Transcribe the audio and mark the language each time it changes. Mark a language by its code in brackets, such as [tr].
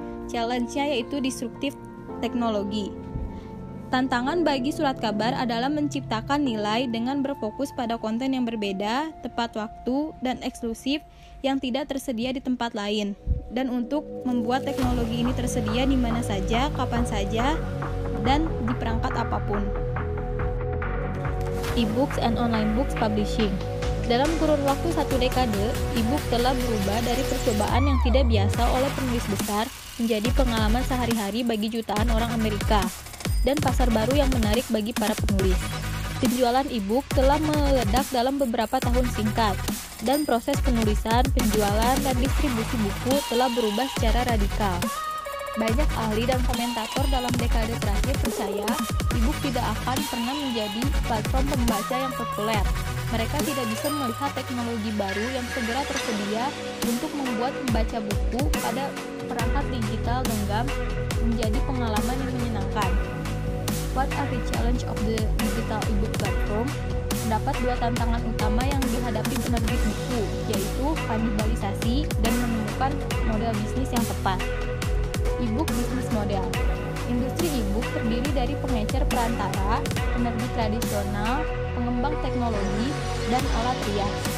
[id] Challenge-nya yaitu disruptif teknologi. Tantangan bagi Surat Kabar adalah menciptakan nilai dengan berfokus pada konten yang berbeda, tepat waktu, dan eksklusif yang tidak tersedia di tempat lain. Dan untuk membuat teknologi ini tersedia di mana saja, kapan saja, dan di perangkat apapun. [en] E-books and online books publishing. [id] Dalam kurun waktu satu dekade, e-book telah berubah dari percobaan yang tidak biasa oleh penulis besar menjadi pengalaman sehari-hari bagi jutaan orang Amerika, dan pasar baru yang menarik bagi para penulis. Penjualan e-book telah meledak dalam beberapa tahun singkat, dan proses penulisan, penjualan, dan distribusi buku telah berubah secara radikal. Banyak ahli dan komentator dalam dekade terakhir percaya e-book tidak akan pernah menjadi platform pembaca yang populer. Mereka tidak bisa melihat teknologi baru yang segera tersedia untuk membuat membaca buku pada perangkat digital genggam menjadi pengalaman yang menyenangkan. [en] What are the challenge of the digital e-book platform? [id] Terdapat dua tantangan utama yang dihadapi penerbit buku, yaitu kanibalisasi dan menemukan model bisnis yang tepat. [en] E-book business model. [id] Industri e-book terdiri dari pengecer perantara, penerbit tradisional, pengembang teknologi, dan alat rias.